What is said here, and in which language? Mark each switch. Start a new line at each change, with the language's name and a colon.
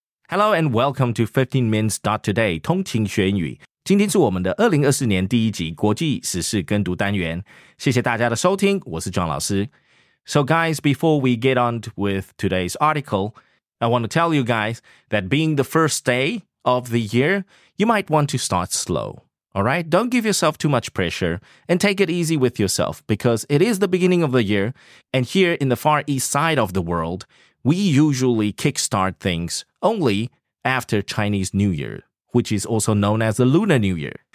English: Hello and welcome to 15 Minutes Start Today 通勤学英语。
Chinese: 今天是我们的2024年第一集国际时事跟读单元。谢谢大家的收听，我是 John 老师。
English: So guys, before we get on with today's article, I want to tell you guys that being the first day of the year, you might want to start slow. All right? Don't give yourself too much pressure and take it easy with yourself because it is the beginning of the year and here in the far east side of the world,We usually kickstart things only after Chinese New Year, which is also known as the Lunar New Year.